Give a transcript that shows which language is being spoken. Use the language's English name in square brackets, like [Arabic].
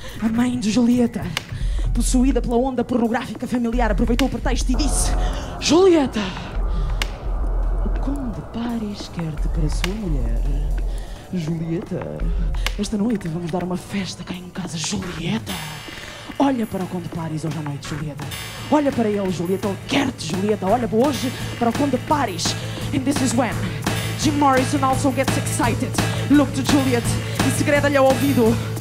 [Portuguese] A mãe de Julieta, possuída pela onda pornográfica familiar, aproveitou o pretexto e disse, Julieta, o conde Paris quer-te para a sua mulher. Julieta, esta noite vamos dar uma festa cá em casa. Julieta. Olha para o Conde Paris hoje à noite, Julieta. Olha para ele, Julieta. Ele quer-te, Julieta. Olha hoje para o Conde Paris. [English] And this is when Jim Morrison also gets excited. Look to [Portuguese] Juliet e segreda-lhe ao ouvido.